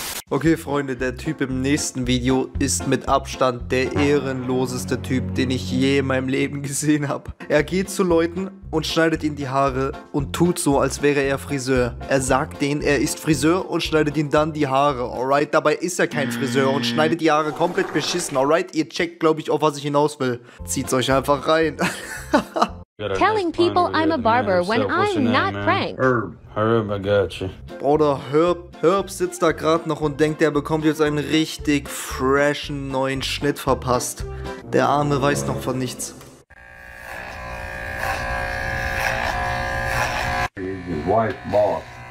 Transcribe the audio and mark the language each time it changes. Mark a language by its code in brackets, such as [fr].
[de] Okay, Freunde, der Typ im nächsten Video ist mit Abstand der ehrenloseste Typ, den ich je in meinem Leben gesehen habe. Er geht zu Leuten und schneidet ihnen die Haare und tut so, als wäre er Friseur. Er sagt denen, er ist Friseur und schneidet ihnen dann die Haare, alright? Dabei ist er kein Friseur und schneidet die Haare komplett beschissen, alright? Ihr checkt, glaube ich, auf was ich hinaus will. Zieht's euch einfach rein. [en] Telling people I'm a barber when I'm not Frank. Herb, I got you. [de] Bruder, Herb sitzt da gerade noch und denkt, er bekommt jetzt einen richtig freshen neuen Schnitt verpasst. Der Arme weiß noch von nichts. [en] White boss.